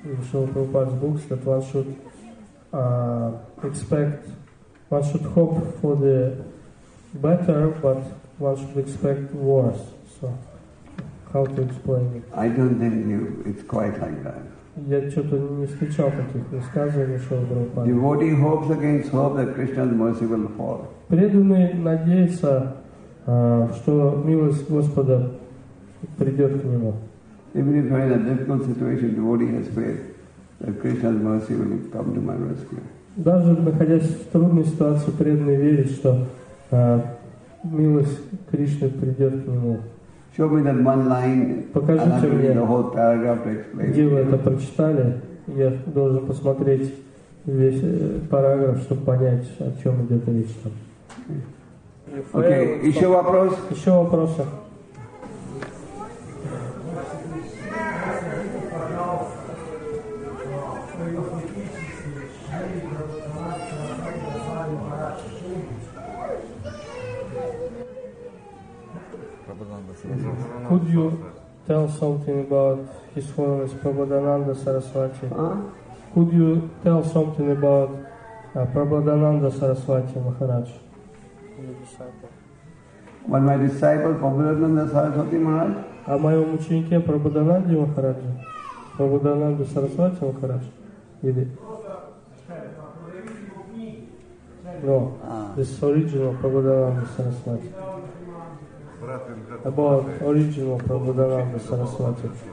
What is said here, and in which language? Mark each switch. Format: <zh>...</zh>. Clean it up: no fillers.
<en>Srila Prabhupada's books that one should expect, one should hope for the better, but one should expect worse. So, how to explain it? I don't think you. It's quite like that.</en> <ru>Я что-то не встречал таких высказываний Шрила Прабхупады.</ru> <en>Devotee hopes against hope that Krishna's mercy will fall.</en> <ru>Преданный надеется, что милость Господа придет к нему.</ru> <en>Even if I'm in a difficult situation, devotee has faith that Krishna's mercy will come to my rescue.</en> <ru>Даже находясь в трудной ситуации, преданный верит, что милость Кришны придет к нему.</ru> <en>Show me that one line.</en> <ru>Покажите мне,</ru> <en>the whole paragraph to explain.</en> <ru>Где вы это прочитали? Я должен посмотреть весь параграф, чтобы понять, о чем идет речь там. Okay. Еще вопрос? Еще вопросы?</ru> <en>Could you tell something about His Holiness Prabhadananda Saraswati? Could you tell something about Prabhadananda Saraswati Maharaj? When my disciple Prabhadananda Saraswati Maharaj?</en> <ru>О моем ученике Прабхадананде Махараджа? Прабхадананда Сарасвати Махарадж? Или?</ru> <en>No, this is original Прабхадананда Сарасвати. About original Prabhupada Saraswati.</en>